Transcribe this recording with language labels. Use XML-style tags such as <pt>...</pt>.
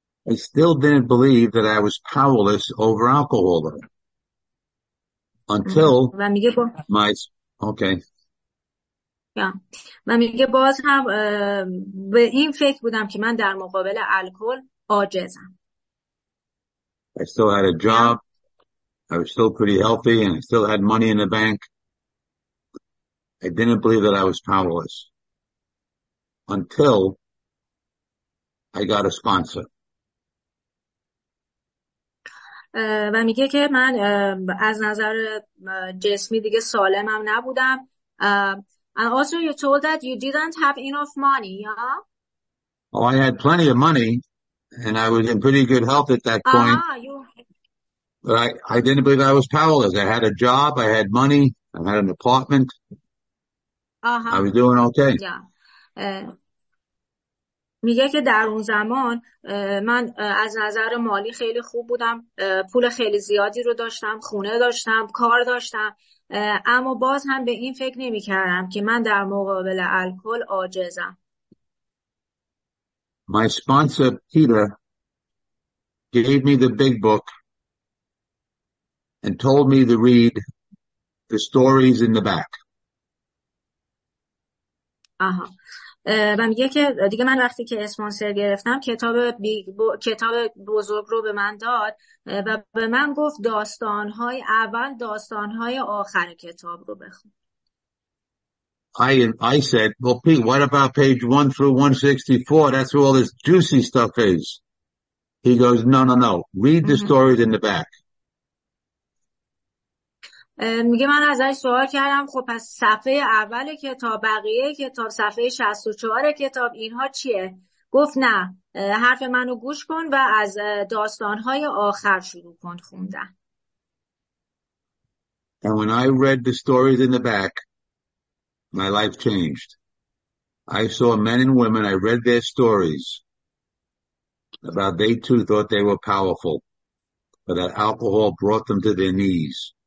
<en>I still didn't believe that I was powerless over alcohol until my okay. Yeah.</en> <fa>من میگه باز هم به این فکر بودم که من در مقابل الکل عاجزم.</fa> <en>I still had a job. Yeah. I was still pretty healthy and I still had money in the bank. I didn't believe that I was powerless until I got a sponsor.</en> <fa>و میگه که من از نظر جسمی دیگه سالمم نبودم.</fa> <en>And also you told that you didn't have enough money, yeah? Oh, I had plenty of money and I was in pretty good health at that point. But I didn't believe I was powerless. I had a job, I had money, I had an apartment. I was doing okay. Yeah.</en> <fa>میگه که در اون زمان من از نظر مالی خیلی خوب بودم، پول خیلی زیادی رو داشتم، خونه داشتم، کار داشتم، اما باز هم به این فکر نمی کردم که من در مقابل الکل عاجزم.</fa> <en>My sponsor Peter gave me the big book and told me to read the stories in the back. آها.</en> <fa>و میگه که دیگه من وقتی که اسپانسر گرفتم کتاب بزرگ رو به من داد و به من گفت داستانهای اول داستانهای آخر کتاب رو بخون.</fa> <en>I said, well, Pete, what about page 1 through 164? That's where all this juicy stuff is. He goes, no. Read the stories in the back.</en> <fa>میگه من ازش سوال کردم خب پس صفحه اول کتاب، بقیه کتاب، صفحه 64 کتاب اینها چیه؟ گفت نه، حرف منو گوش کن و از داستانهای آخر شروع کن خوندن.</fa> <en>And when I read the stories in the back, my life changed. I saw men and women, I read their stories about they too thought they were powerful, but that alcohol brought them to their knees.</en>